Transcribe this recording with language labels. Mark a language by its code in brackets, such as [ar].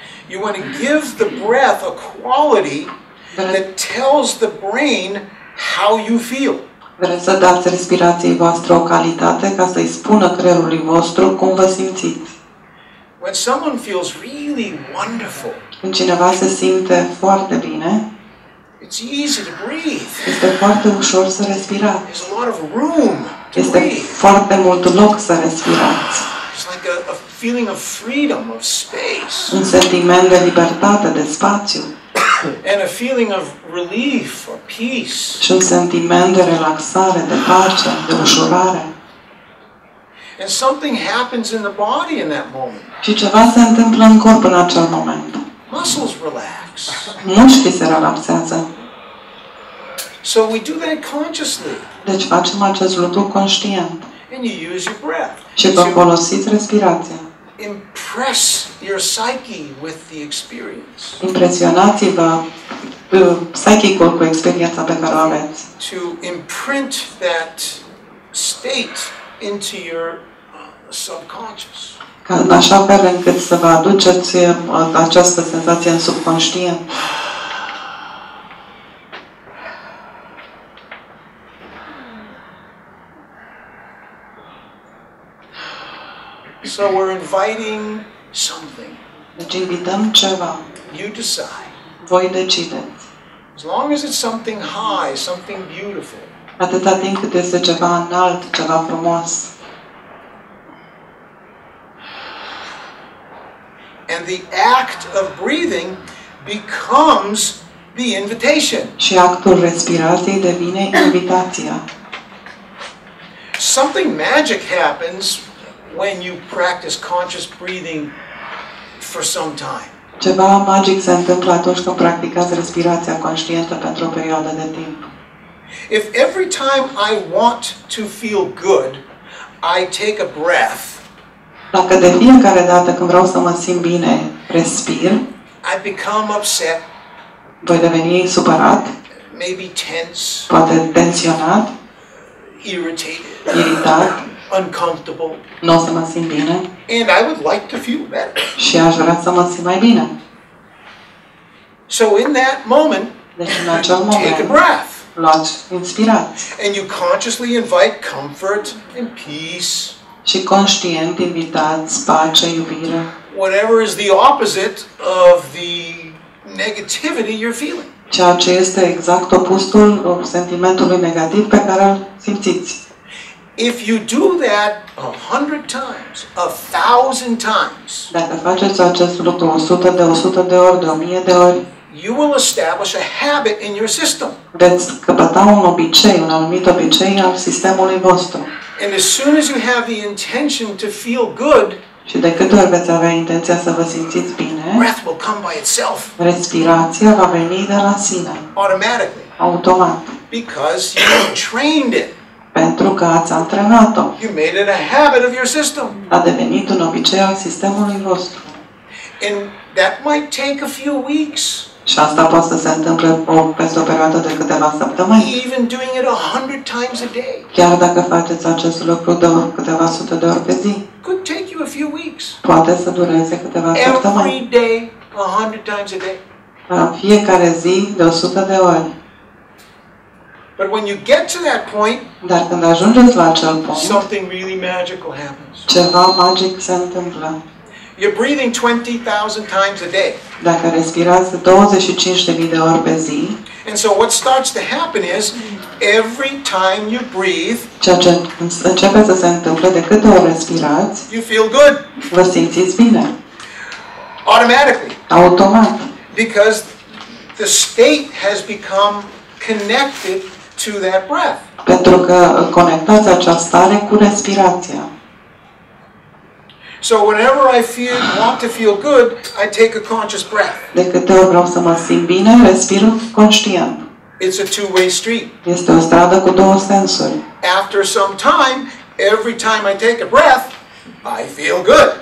[en] You want to give the breath a quality that tells the brain how you feel. [ro] Vreți să dați respirației voastre o calitate ca să-i spună creierului vostru cum vă simțiți. [en] When someone feels really wonderful, [ro] când cineva se simte foarte bine, [en] it's easy to breathe. [ro] Este foarte ușor să respirați. [en] There's a lot of room to [ro] este [en] breathe. [ro] Foarte mult loc să respirați. [en] It's like a feeling of freedom, of space. [ro] Un sentiment de libertate, de spațiu. [en] And a feeling of relief or peace. [ro] Și un sentiment de relaxare, de pace, de ușurare. [en] And something happens in the body in that moment. [ro] Și ceva se întâmplă în corp în acel moment. [en] Muscles relax. [ro] Mușchii se relaxează. [en] So we do that consciously. [ro] Deci facem acest lucru conștient. [en] And you use your breath. [ro] Și vă folosiți respirația. [en] Impress your psyche with the experience. [ro] Impresionați-vă psychicul cu experiența pe care o aveți. [en] To imprint that state into your subconscious. [ro] Ca în așa fel încât să vă aduceți această senzație în subconștient. [en] So we're inviting something. [ro] Deci invităm ceva. [en] You decide. [ro] Voi decideți. [en] As long as it's something high, something beautiful. [ro] Atâta timp cât este ceva înalt, ceva frumos. [en] And the act of breathing becomes the invitation. [ro] Și actul respirației devine invitația. [en] Something magic happens when you practice conscious breathing for some time. [ro] Ceva magic se întâmplă atunci când practicați respirația conștientă pentru o perioadă de timp. [en] If every time I want to feel good, I take a breath. [ro] Dacă de fiecare dată când vreau să mă simt bine, respir, [en] I become upset. [ro] Voi deveni supărat. [en] Maybe tense. [ro] Poate tensionat. [en] Irritated. [ro] Iritat. [en] Uncomfortable. [ro] N-o să mă simt bine. [en] And I would like to feel better. [ro] Și aș vrea să mă simt mai bine. [en] So in that moment, [ro] deci în acel moment, [en] take a breath. [ro] Luați inspirați. [en] And you consciously invite comfort and peace. [ro] Și conștient invitați pace, iubire. [en] Whatever is the opposite of the negativity you're feeling. [ro] Ceea ce este exact opusul sentimentului negativ pe care îl simțiți. [en] If you do that 100 times, 1000 times. [ro] Dacă faceți acest lucru 100 de 100 de ori, de 1000 de ori. [en] You will establish a habit in your system. [ro] Veți căpăta un obicei, un anumit obicei al sistemului vostru. [en] And as soon as you have the intention to feel good, [ro] și de câte ori veți avea intenția să vă simțiți bine, [en] breath will come by itself. [ro] Respirația va veni de la sine. [en] Automatically. [ro] Automat. [en] Because you trained it. [ro] Pentru că ați antrenat-o. [en] You made it a habit of your system. [ro] A devenit un obicei al sistemului vostru. [en] And that might take a few weeks. [ro] Și asta poate să se întâmple peste o perioadă de câteva săptămâni. [en] Even doing it 100 times a day. [ro] Chiar dacă faceți acest lucru de câteva sute de ori pe zi. [en] Could take you a few weeks. [ro] Poate să dureze câteva săptămâni. [en] Every day, 100 times a day. [ro] La fiecare zi de 100 de ori. [en] But when you get to that point, [ro] dar când ajungeți la acel punct, [en] something really magical happens. [ro] Ceva magic se întâmplă. [en] You're breathing 20,000 times a day. [ro] Dacă respirați 25,000 de ori pe zi. [en] And so what starts to happen is every time you breathe, [ro] ceea ce începe să se întâmple de câte ori respirați, [en] you feel good. [ro] Vă simțiți bine. [en] Automatically. [ro] Automat. [en] Because the state has become connected to that breath. [ro] Pentru că conectați această stare cu respirația. [en] So whenever I feel want to feel good, I take a conscious breath. [ro] De câte ori vreau să mă simt bine, respir conștient. [en] It's a two-way street. [ro] Este o stradă cu două sensuri. [en] After some time, every time I take a breath, I feel good.